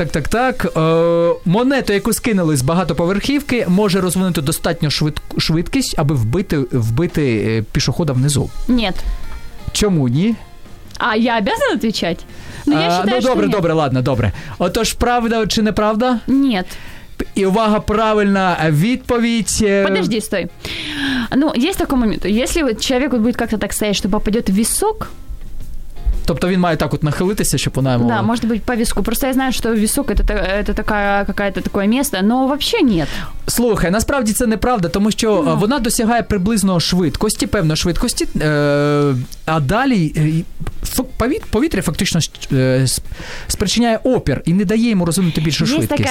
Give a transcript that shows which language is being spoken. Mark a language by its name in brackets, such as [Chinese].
[Ukrainian] Так. Монету, яку скинули з багатоповерхівки, може розвинути достатньо швидкість, аби вбити пішохода внизу. Ні. Чому ні? [Russian] А я обязана отвечати? [Ukrainian] Ну, добре. Отож, правда чи неправда? Ні. И увага, правильно, відповідь... [Russian] Подожди, стой. Ну, есть такой момент. Если вот человек будет как-то так стоять, что попадет в висок... [Ukrainian] Тобто він має так от нахилитися, щоб вона йому... Да, може бути по віску. Просто я знаю, що висок це така [Russian] какая-то [Ukrainian] таке місце, [Russian] но вообще нет. [Ukrainian] Слухай, насправді це неправда, тому що вона досягає приблизно швидкості, певно швидкості, а далі повітря фактично спричиняє опір і не дає йому розвинути більшу швидкість.